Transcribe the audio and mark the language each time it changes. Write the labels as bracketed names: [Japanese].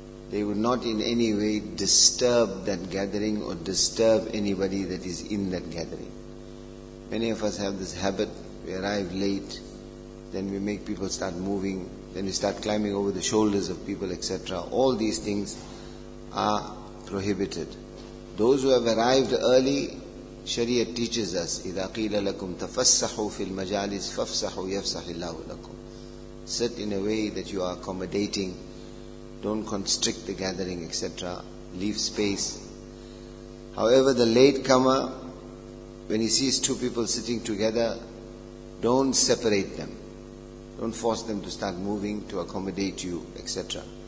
[English] They would not in any way disturb that gathering or disturb anybody that is in that gathering. Many of us have this habit. We arrive late, then we make people start moving, then we start climbing over the shoulders of people, etc. All these things are prohibited. Those who have arrived early, Sharia teaches us, [Arabic] إِذَا قِيلَ لَكُمْ تَفَسَّحُوا فِي الْمَجَالِسِ فَفْسَحُوا يَفْسَحِ اللَّهُ لَكُمْ. [English] Sit in a way that you are accommodating, don't constrict the gathering, etc. Leave space. However, the latecomer, when he sees two people sitting together, don't separate them. Don't force them to start moving to accommodate you, etc.